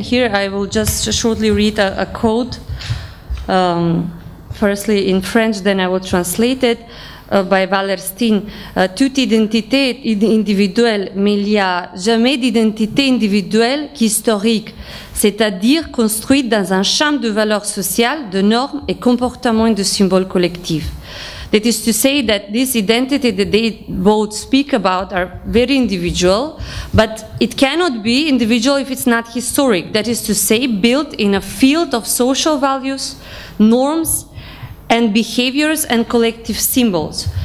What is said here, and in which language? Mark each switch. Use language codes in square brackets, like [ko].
[en] And here I will just shortly read a quote, firstly in French, then I will translate it, by Wallerstein. [fr] Toute identité individuelle, mais il n'y a jamais d'identité individuelle qu'historique, c'est-à-dire construite dans un champ de valeurs sociales, de normes et comportements de symboles collectifs. [en] That is to say that this identity that they both speak about are very individual, but it cannot be individual if it's not historic. That is to say, built in a field of social values, norms, and behaviors and collective symbols.